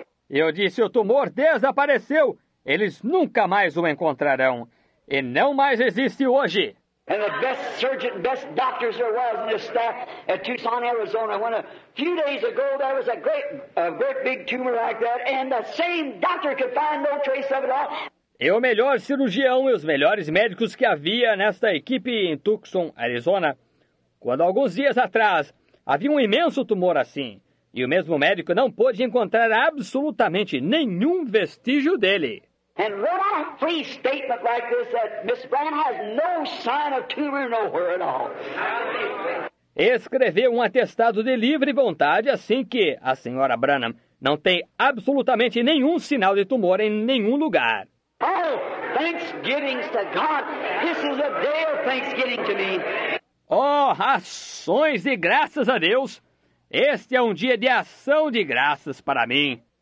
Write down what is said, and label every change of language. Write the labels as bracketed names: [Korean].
[Portuguese] Eu disse, o tumor desapareceu. Eles nunca mais o encontrarão. E não mais existe hoje. [English] And the best surgeon, best doctors there was in the staff at Tucson, Arizona. When a few days ago there was a great big tumor like that, and the same doctor could find no trace of it all. [Portuguese] E o melhor cirurgião e os melhores médicos que havia nesta equipe em Tucson, Arizona, quando alguns dias atrás havia um imenso tumor assim, e o mesmo médico não pôde encontrar absolutamente nenhum vestígio dele. [English] And what a free statement like this that Miss Brown has no sign of tumor nowhere at all. [Portuguese] Escreveu um atestado de livre vontade assim que a senhora Branham não tem absolutamente nenhum sinal de tumor em nenhum lugar. [English] Oh, thanksgivings to God. This is a day of thanksgiving to me. [Portuguese] Oh, ações de graças a Deus. Este é um dia de ação de graças para mim.